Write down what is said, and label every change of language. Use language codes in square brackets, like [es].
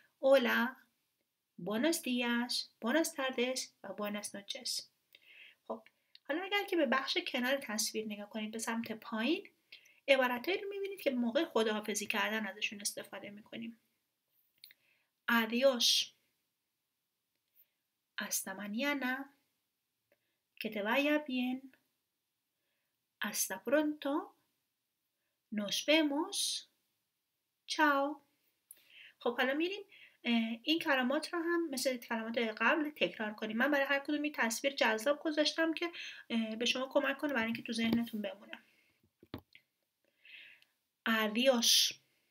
[es] اولا، بوناس دیاس، بوناس تاردس و بوناس نوچس. [fa] خب حالا اگر که به بخش کنار تصویر نگاه کنید به سمت پایین عبارت هایی رو می بینید که موقع خداحافظی کردن ازشون استفاده می کنیم. [es] ادیوس. Hasta mañana, que te vaya bien, hasta pronto, nos vemos, chao. [fa] خب حالا میریم این کلمات رو هم مثل کلمات قبل تکرار کنیم. من برای هر کدومی تصویر جذاب گذاشتم که به شما کمک کنه برای اینکه تو ذهنتون بمونه. [es] Adiós.